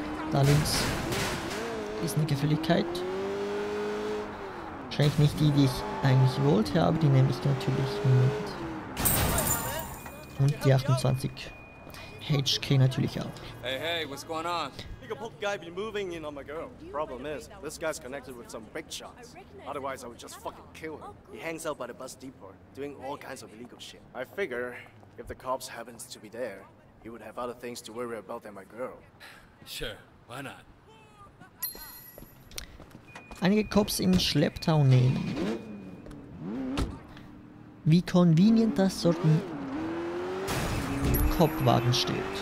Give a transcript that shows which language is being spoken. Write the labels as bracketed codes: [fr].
[de] Da links ist eine Gefälligkeit. Wahrscheinlich nicht die, die ich eigentlich wollte, aber die nehme ich natürlich mit. Und die 28 HK natürlich auch. [en] Hey, hey, what's going on? You can put guy be moving in on my girl. Problem is, this guy's connected with some big shots. Otherwise, I would just fucking kill him. He hangs out by the bus depot, doing all kinds of illegal shit. I figure, if the cops happens to be there, he would have other things to worry about than my girl. Sure, why not? [de] Einige Cops in Schlepptau nehmen. Wie convenient, dass dort ein Copwagen steht.